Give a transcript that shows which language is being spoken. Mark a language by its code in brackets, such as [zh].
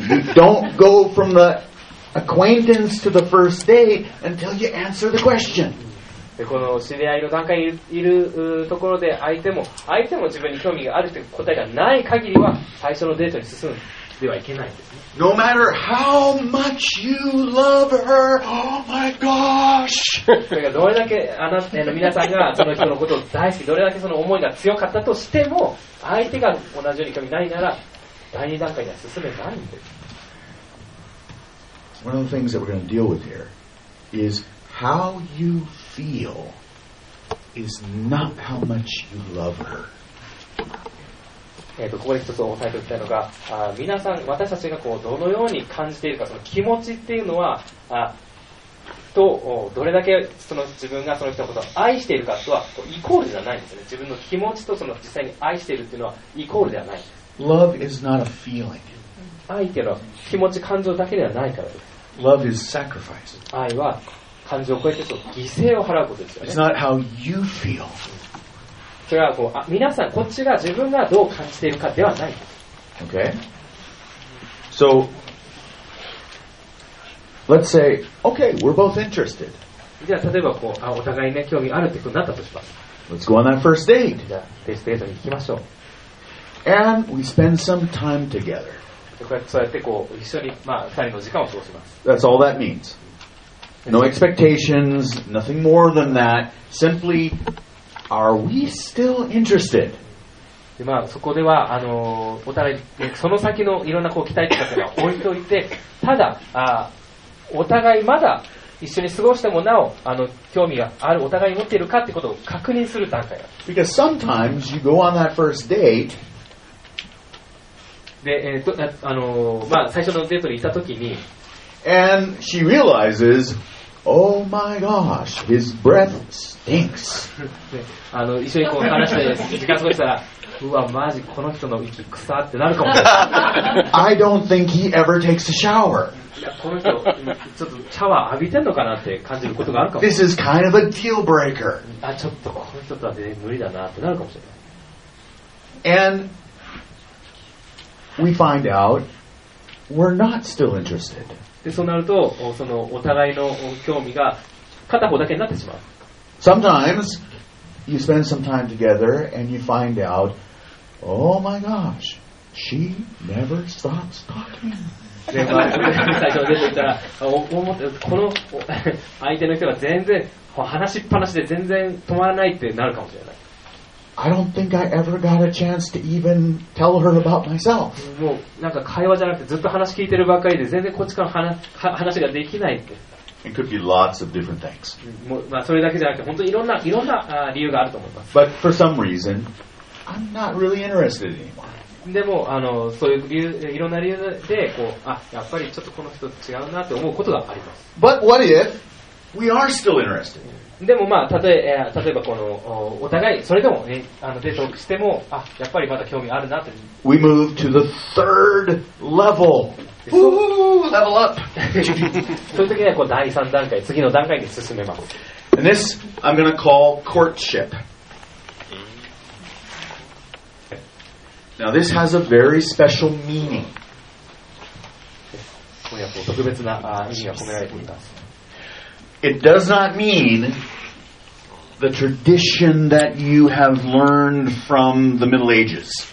[en] You don't go from theAcquaintance to the first date until you answer the question. [ja] でこの知り合いの段階にいるところで相手も自分に興味があるという答えがない限りは最初のデートに進むではいけないんですね。 [en] No matter how much you love her, oh my gosh! [ja] それがどれだけあなたの皆さんがその人のことを大好き、どれだけその思いが強かったとしても、相手が同じように神ないなら、第二段階には進めないんです。 [en] One of the things that we're going to deal with here is how you feel is not how much you love her. [ja] ここで一つ押さえておきたいのが、皆さん、私たちがこうどのように感じているか、その気持ちっていうのは、とどれだけその自分がその人のことを愛しているかとはイコールじゃないんですね。自分の気持ちとその実際に愛しているっていうのはイコールではない。 [en] Love is not a feeling. [ja] 愛っていうのは気持ち、感情だけではないからです。 [en] Love is sacrifice. [ja] 愛は感情を超えてと犠牲を払うことですよね。 [en] It's not how you feel. [ja] それはこう、皆さん、こっちが自分がどう感じているかではない。 [en] Okay. So, let's say, okay, we're both interested. [ja] じゃあ例えばこう、お互いね興味あるってことになったとします。 [en] Let's go on that first date. [ja] じゃあ、テストデートに行きましょう。 [en] And we spend some time together. [ja] そうやってこう一緒に、まあ、2人の時間を過ごします。 [en] That's all that means. No expectations, nothing more than that. Simply, are we still interested? [ja] で、まあ、そこでは、お互い、その先のいろんなこう期待とかは置いておいて、ただ、お互いまだ一緒に過ごしてもなお、興味がある、お互いに持っているかってことを確認する段階だ。 [en] Because sometimes you go on that first date, [ja] でまあ、最初のデートに行ったときに [en] And she realizes, oh my gosh, his breath stinks. [ja] 一緒にこう話して時間過ごしたらうわマジこの人の息臭ってなるかもしれない [en] I don't think he ever takes a shower. [ja] この人ちょっとシャワー浴びてんのかなって感じることがあるかもしれない [en] This is kind of a deal breaker. [ja] あちょっとこの人とは全然無理だなってなるかもしれない [en] AndWe find out we're not still interested. [ja] でそうなるとそのお互いの興味が片方だけになってしまう。 [en] Sometimes you spend some time together and you find out, oh my gosh, she never stops talking. [ja] で、まあ、最初出てきたら、この相手の人が全然話しっぱなしで全然止まらないってなるかもしれない。 [en] I don't think I ever got a chance to even tell her about myself. [ja] もうなんか会話じゃなくてずっと話聞いてるばっかりで全然こっちから話ができないって。 [en] It could be lots of different things. [ja] もうまあそれだけじゃなくて本当にいろんな理由があると思います。 [en] But for some reason, I'm not really interested anymore. [ja] でもそういう理由いろんな理由でこうあやっぱりちょっとこの人と違うなって思うことがあります。 [en] But what if we are still interested? [ja] でもまあ例えばこのお互いそれでもねデートしてもあやっぱりまだ興味あるなって。 [en] We move to the third level. Woo, level up. [ja] そういう時にはこう第3段階次の段階に進めます。 [en] And this I'm going to call courtship. Now this has a very special meaning. [ja] これはこう特別な意味が込められています。 [en] It does not mean the tradition that you have learned from the Middle Ages.